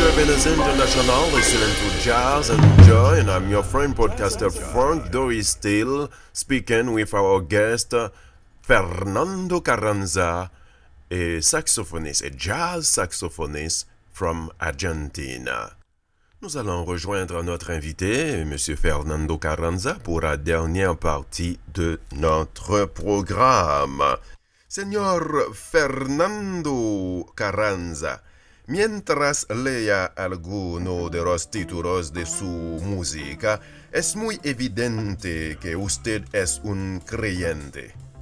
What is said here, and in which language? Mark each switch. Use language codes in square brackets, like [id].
[en] is international, listening to jazz and joy, and I'm your friend, podcaster Frank Doris Steele, speaking with our guest, Fernando Carranza, a saxophoniste, a jazz saxophoniste from Argentina. [fr] Nous allons rejoindre notre invité, M. Fernando Carranza, pour la dernière partie de notre programme. [es] Señor Fernando Carranza, mientras lea alguno de los títulos de su música, es muy evidente que usted es un creyente.